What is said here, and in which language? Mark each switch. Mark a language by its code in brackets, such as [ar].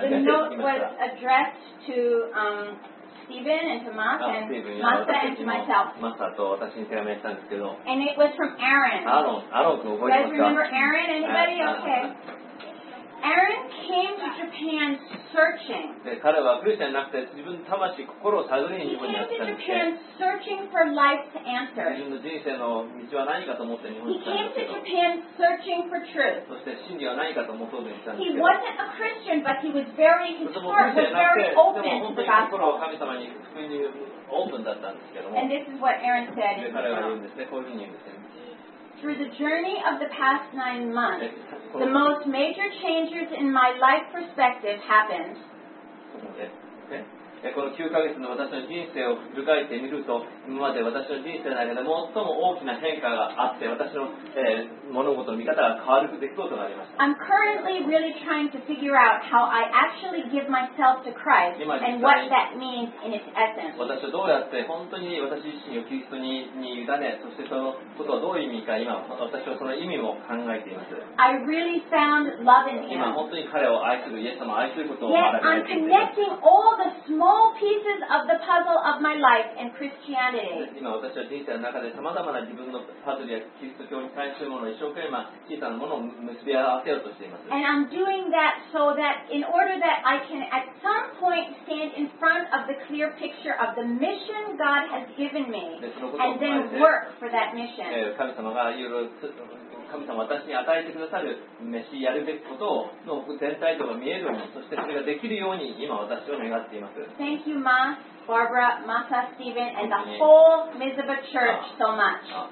[en] The note was addressed to, Stephen and to Martha and Martha and to myself. [ja] Martha と私に手紙したんですけど。 [en] And it was from Aaron. [ja] アロン君覚えてますか? [en] You guys remember Aaron? Anybody? Okay. Aaron came to Japan searching. [ja] 彼はクリスチャンじゃなくて自分の魂、心を探りに日本にやってたんです。 [en] He came to Japan searching for life to answer. [ja] 自分の人生の道は何かと思って日本に来たんですけど。 [en] He came to Japan searching for truth. [ja] そして真理は何かと思って来たんですけど。 [en] He wasn't a Christian, but he was very, his heart was very open to the gospel. [ja] でも本当に心を神様に福音にオープンだったんですけども。 [en] And this is what Aaron said. [ja] 彼は言うんですね、こういうふうに言うんですね。 [en] Through the journey of the past nine months, the most major changes in my life perspective happened. [ja] この9ヶ月の私の人生を振り返ってみると、今まで私の人生の中で最も大きな変化があって、私の、物事の見方が変わる出来事がありました。 [en] I'm currently really trying to figure out how I actually give myself to Christ and what that means in its essence. [ja] 私はどうやって本当に私自身をキリストに委ね、そしてそのことはどういう意味か、今私はその意味を考えています。 [en] I really found love in him. [ja] 今本当に彼を愛する、イエス様を愛することを学びました。 [en] Yet I'm connecting all the small pieces of the puzzle of my life and Christianity. [ja] 今私は人生の中でさまざまな自分のパズルやキリスト教に対するものを一生懸命小さなものを結び合わせようとしています。 [en] And I'm doing that so that in order that I can at some point stand in front of the clear picture of the mission God has given me and then work for that mission. [ja] 神様がいろいろ神様私に与えてくださる召しやるべきことの全体像が見えるようにそしてそれができるように今私は願っています。 [en] Thank you Ma, Barbara, Martha, Stephen and the whole Mizuba Church so much.